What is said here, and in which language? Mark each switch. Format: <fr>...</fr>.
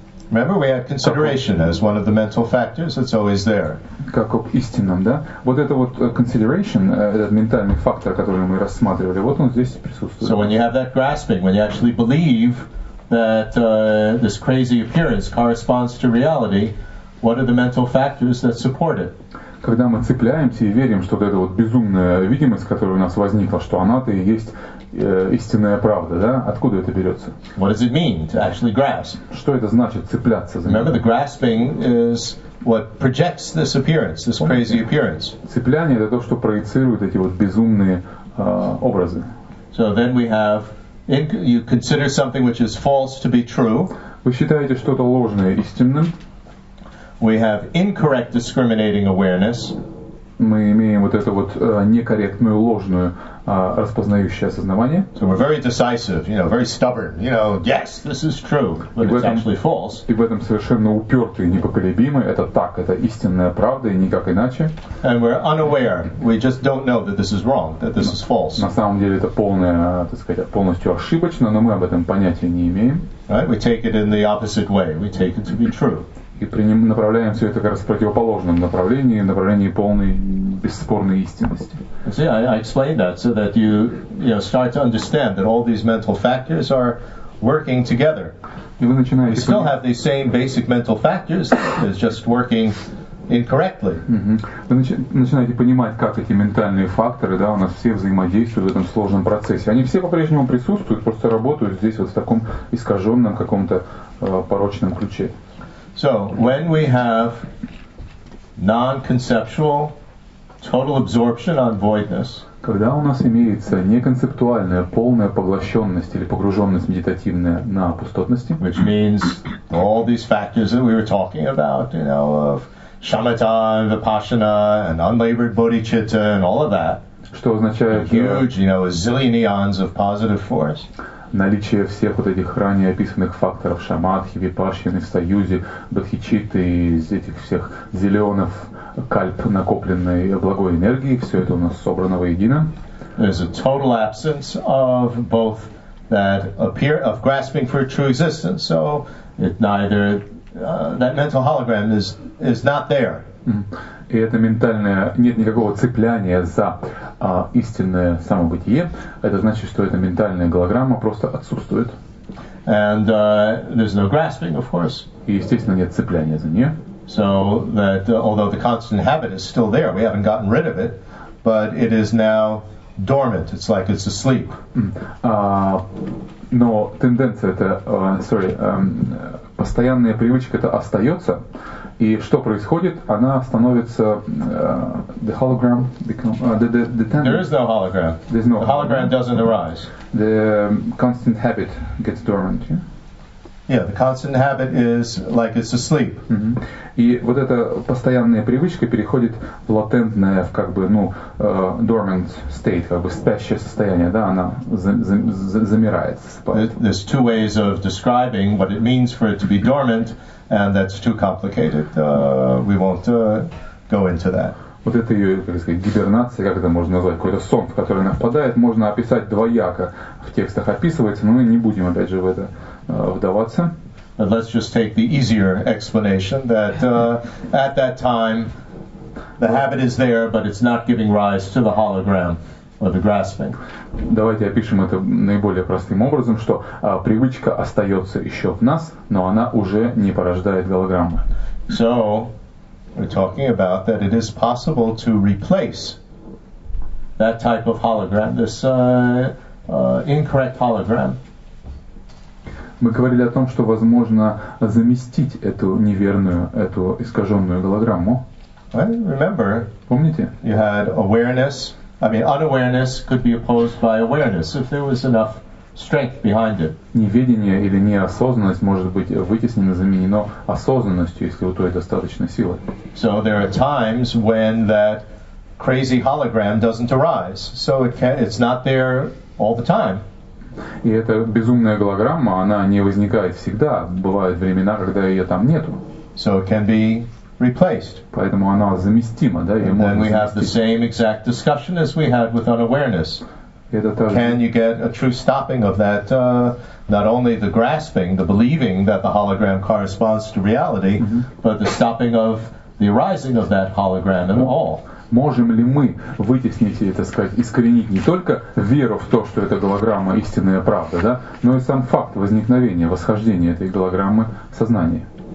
<en>Remember, we have consideration as one of the mental factors. It's always there.</en> <ru>Как об истинном, да? Вот это вот consideration, этот ментальный фактор, который мы рассматривали, вот он здесь присутствует.</ru> <en>So when you have that grasping, when you actually believe that this crazy appearance corresponds to reality, what are the mental factors that support it?</en> <ru>Когда мы цепляемся и верим, что вот эта вот безумная видимость, которая у нас возникла, что она-то и есть истинная правда, да? Откуда это берется?</ru> <en>What does it mean to actually grasp?</en> <ru>Что это значит цепляться за него?</ru> <en>Remember, the grasping is what projects this appearance, this crazy appearance.</en> <ru>Цепляние — это то, что проецирует эти вот безумные образы.</ru> <en>So then we have, you consider something which is false to be true.</en> <ru>Вы считаете что-то ложное истинным.</ru> <en>We have incorrect discriminating awareness.</en> <ru>Мы имеем вот это вот некорректную, ложную распознающее осознавание.</ru> <en>So we're very decisive, you know, very stubborn, you know, yes, this is true, but it's actually false.</en> <ru>И в этом совершенно упертый, непоколебимый, это так, это истинная правда, и никак иначе.</ru> <en>And we're unaware, we just don't know that this is wrong, that this is false.</en> <ru>На самом деле это полное, так сказать, полностью ошибочно, но мы об этом понятия не имеем.</ru> <en>Right? We take it in the opposite way, we take it to be true.</en> <ru>И направляем все это как раз в противоположном направлении, в направлении полной бесспорной истинности.</ru> <en>See, I explained that so that you, you know, start to understand that all these mental factors are working together.</en> <ru>И вы начинаете.</ru> <en>We still have these same basic mental factors, it's just working incorrectly.</en> <ru>Вы начинаете понимать, как эти ментальные факторы, да, у нас все взаимодействуют в этом сложном процессе. Они все по-прежнему присутствуют, просто работают здесь вот в таком искаженном каком-то порочном ключе.</ru> <en>So when we have non-conceptual total absorption on voidness,</en> <ru>когда у нас имеется неконцептуальная полная поглощенность или погруженность медитативная на пустотности,</ru> <en>which means all these factors that we were talking about, you know, of shamatha, vipassana, and unlabored bodhicitta, and all of that,</en> <ru>что означает</ru> <en>huge, you know, a zillion eons of positive force.</en> <ru>Наличие всех вот этих ранее описанных факторов шамадхи, випашьяны, союзи, бодхичитты, из этих всех зеленых кальп накопленной благой энергии, все это у нас собрано воедино.</ru> <en>There's a total absence of both that appear of grasping for true existence, so it neither that mental hologram is not there.</en> <ru>И это ментальное, нет никакого цепляния за истинное самобытие. Это значит, что эта ментальная голограмма просто отсутствует.</ru> <en>And there's no grasping, of course.</en> <ru>И, естественно, нет цепляния за нее.</ru> <en>So that although the constant habit is still there, we haven't gotten rid of it, but it is now dormant. It's like it's asleep.</en> <ru>Но тенденция это, постоянная привычка это остается. И что происходит? Она становится</ru> <en>the hologram become the tendency. There is no hologram. There's no the hologram. Hologram doesn't arise. The constant habit gets dormant. Yeah. Yeah, the constant habit is like it's asleep. Mm-hmm.</en> <ru>И вот эта постоянная привычка переходит в латентное, в как бы, ну,</ru> <en>dormant state,</en> <ru>как бы спящее состояние, да, она замирает.</ru> <en>There's two ways of describing what it means for it to be dormant, and that's too complicated. We won't go into that.</en> <ru>Вот это ее, как сказать, гибернация, как это можно назвать, какой-то сон, в который она впадает, можно описать двояко в текстах описывается, но мы не будем, опять же, в это вдаваться.</ru> <en>And let's just take the easier explanation that at that time the habit is there, but it's not giving rise to the hologram or the grasping.</en> <ru>Давайте опишем это наиболее простым образом, что привычка остается еще в нас, но она уже не порождает голограммы.</ru> <en>So we're talking about that it is possible to replace that type of hologram, this incorrect hologram.</en> <ru>Мы говорили о том, что возможно заместить эту неверную, эту искаженную голограмму.</ru> <en>Remember,</en> <ru>помните?</ru> <en>You had awareness. I mean, unawareness could be opposed by awareness if there was enough strength behind it.</en> <ru>Неведение или неосознанность может быть вытеснено, заменено осознанностью, если у той достаточно силы.</ru> <en>So there are times when that crazy hologram doesn't arise. So it can, it's not there all the time.</en> <ru>И эта безумная голограмма, она не возникает всегда. Бывают времена, когда ее там нету.</ru> <en>So it can be replaced.</en> <ru>Поэтому она заместима, да?</ru> <en>And then we have the same exact discussion as we had with unawareness. Can you get a true stopping of that, not only the grasping, the believing that the hologram corresponds to reality, mm-hmm. but the stopping of the arising of that hologram at all?</en> <ru>Можем ли мы вытеснить или, так сказать, искоренить не только веру в то, что эта голограмма истинная правда, да, но и сам факт возникновения, восхождения этой голограммы в сознании?</ru>